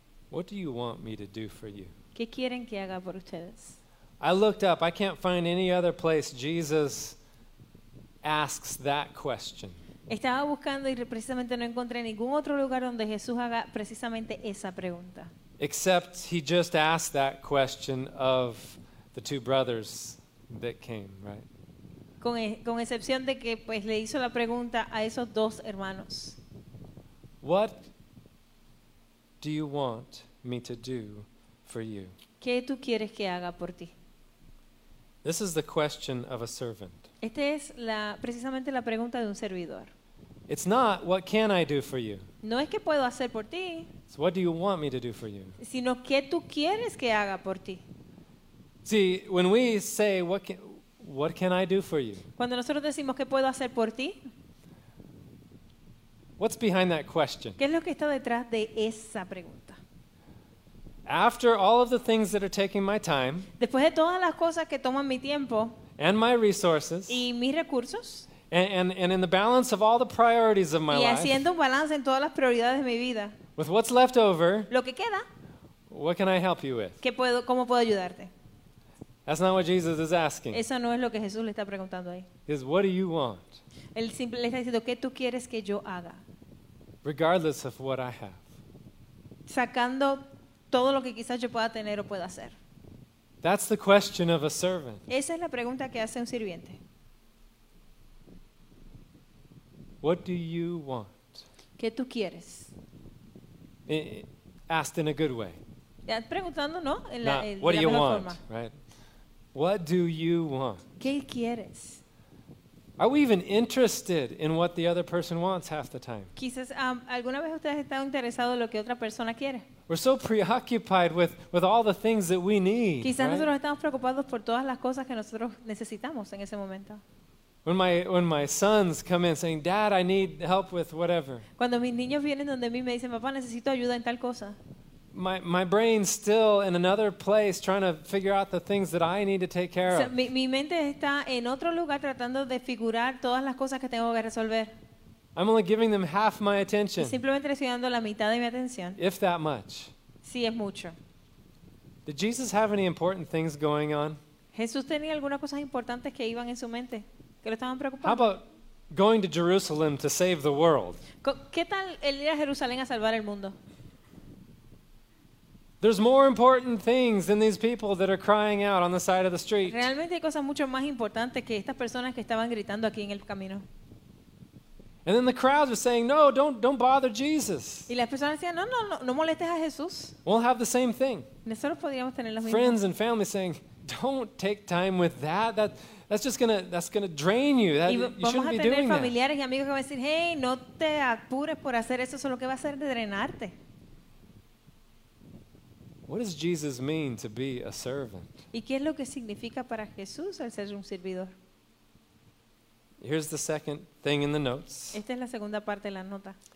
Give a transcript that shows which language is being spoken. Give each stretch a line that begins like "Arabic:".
English: What do you want me to do for you?
Spanish: ¿Qué quieren que haga por ustedes?
English: I looked up. I can't find any other place Jesus asks that question.
Spanish: Estaba buscando y precisamente no encontré ningún otro lugar donde Jesús haga precisamente esa pregunta.
English: Except he just asked that question of the two brothers that came, right?
Spanish: Con excepción de que pues le hizo la pregunta a esos dos hermanos.
English: What do you want me to do for you?
Spanish: ¿Qué tú quieres que haga por ti?
English: This is the question of a servant.
Spanish: Esta es precisamente la pregunta de un servidor.
English: It's not what can I do for you.
Spanish: No es que puedo hacer por ti.
English: It's what do you want me to do for you?
Spanish: Sino qué tú quieres que haga por ti.
English: See, when we say what can I do for you?
Spanish: Cuando nosotros decimos qué puedo hacer por ti.
English: What's behind that question?
Spanish: ¿Qué es lo que está detrás de esa pregunta?
English: After all of the things that are taking my time.
Spanish: Después de todas las cosas que toman mi tiempo.
English: And my resources.
Spanish: Y mis recursos.
English: And in the balance of all the priorities of my life.
Spanish: Y haciendo un balance en todas las prioridades de mi vida.
English: With what's left over.
Spanish: Lo que queda.
English: What can I help you with?
Spanish: ¿Cómo puedo ayudarte?
English: That's not what Jesus is asking.
Spanish: Eso no es lo que Jesús le está preguntando ahí.
English: He says, what do you want?
Spanish: Él simple le está diciendo, ¿qué tú quieres que yo haga?
English: Regardless of what I have.
Spanish: Sacando todo lo que quizás yo pueda tener o pueda hacer.
English: That's the question of a servant.
Spanish: Esa es la pregunta que hace un sirviente.
English: What do you want?
Spanish: ¿Qué tú quieres?
English: Asked in a good way.
Spanish: Preguntando, ¿no? En la forma.
English: What do you want? Right? What do you want?
Spanish: ¿Qué quieres?
English: Are we even interested in what the other person wants half the time?
Spanish: Quizás alguna vez ustedes están interesados en lo que otra persona quiere.
English: We're so preoccupied with all the things that we need.
Spanish: Quizás
English: right?
Spanish: Nosotros estamos preocupados por todas las cosas que nosotros necesitamos en ese momento.
English: When my sons come in saying, "Dad, I need help with whatever."
Spanish: Cuando mis niños vienen donde mí me dicen, "Papá, necesito ayuda en tal cosa."
English: My brain's still in another place trying to figure out the things that I need to take care of.
Spanish: Mi mente está en otro lugar tratando de figurar todas las cosas que tengo que resolver.
English: I'm only giving them half my attention.
Spanish: Simplemente les estoy dando la mitad de mi atención.
English: If that much.
Spanish: Si es mucho.
English: Did Jesus have any important things going on?
Spanish: Jesús tenía algunas cosas importantes que iban en su mente, que lo estaban preocupando.
English: How about going to Jerusalem to save the world?
Spanish: ¿Qué tal el ir a Jerusalén a salvar el mundo?
English: There's more important things than these people that are crying out on the side of the street.
Spanish: Realmente hay cosas mucho más importantes que estas personas que estaban gritando aquí en el camino.
English: And then the crowds were saying, "No, don't bother Jesus."
Spanish: Y las personas decían, no molestes a Jesús.
English: We'll have the same thing.
Spanish: Nosotros podríamos tener las mismas.
English: Friends and family saying, "Don't take time with that. That That's just gonna drain you. That, you shouldn't be doing that.
Spanish: Y vamos a tener familiares y amigos que van a decir, hey, no te apures por hacer eso, solo que va a ser de drenarte.
English: What does Jesus mean to be a servant?
Spanish: ¿Y qué es lo que significa para Jesús el ser un servidor?
English: Here's the second thing in the notes.
Spanish: Esta es la segunda parte de la nota.